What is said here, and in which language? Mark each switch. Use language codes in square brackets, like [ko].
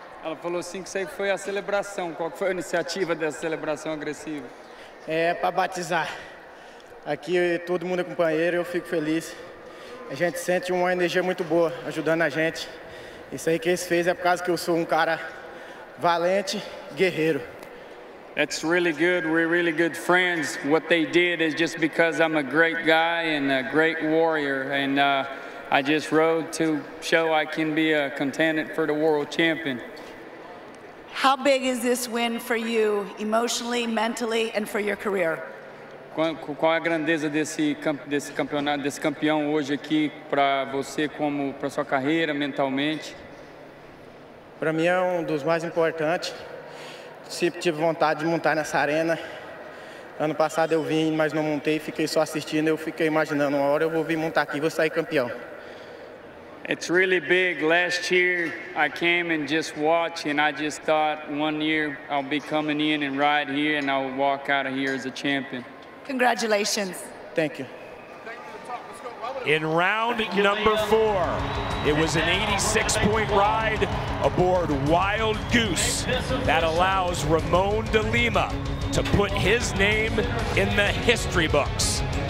[pt] Ela falou assim que isso aí foi a celebração. Qual foi a iniciativa dessa celebração agressiva? É para batizar. Aqui todo mundo é companheiro, eu fico feliz. A gente sente uma energia muito boa ajudando a gente. Isso aí que eles fez é por causa que eu sou cara valente, guerreiro. [en] That's really good. We're really good friends. What they did is just because I'm a great guy and a great warrior, and I just rode to show I can be a contender for the world champion. How big is this win for you, emotionally, mentally, and for your career? [pt] Qual a grandeza desse campeonato, desse campeão hoje aqui para você, como para sua carreira, mentalmente? Para mim é dos mais importantes. Sempre tive vontade de montar nessa arena. Ano passado eu vim, mas não montei, fiquei só assistindo. Eu fiquei imaginando, uma hora eu vou vir montar aqui, vou sair campeão. [en] It's really big. Last year I came and just watched, and I just thought one year I'll be coming in and ride here and I'll walk out of here as a champion. Congratulations. Thank you. In round number four, it was an 86-point ride aboard Wild Goose that allows Ramon de Lima to put his name in the history books.